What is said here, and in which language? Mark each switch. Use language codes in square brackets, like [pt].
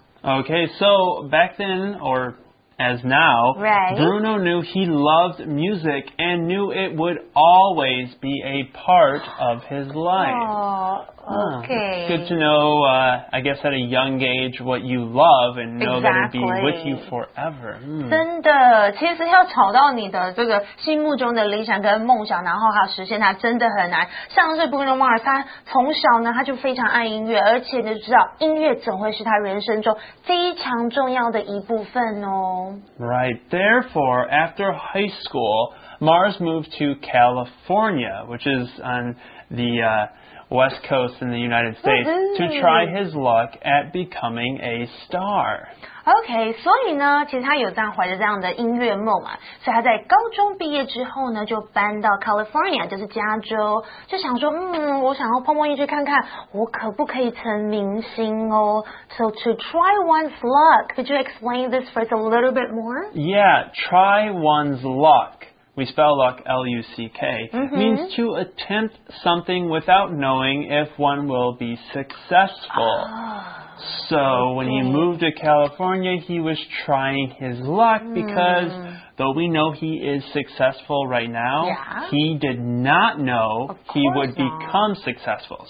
[en] Okay, so back then or. As now, right. Bruno knew he loved music and knew it would always be a part of his life. Oh, okay. It's good to know, I guess at a young age, what you love and know exactly. that it'd be with you forever. [zh] 真的，其实要找到你的这个心目中的理想跟梦想，然后还要实现它，真的很难。像是 Bruno Mars， 他从小呢，他就非常爱音乐，而且就知道音乐总会是他人生中非常重要的一部分哦。 [en] Right. Therefore, after high school, Mars moved to California, which is on the west coast in the United States, to try his luck at becoming a star. [zh] Okay, 所以呢，其实他有这样怀着这样的音乐梦嘛，所以他在高中毕业之后呢，就搬到 California， 就是加州，就想说，我想要碰碰运气看看，我可不可以成明星哦。 [en] So to try one's luck, could you explain this for us a little bit more? Yeah, try one's luck. We spell luck L-U-C-K, means to attempt something without knowing if one will be successful. So when he moved to California, he was trying his luck because though we know he is successful right now, he did not know he would become successful.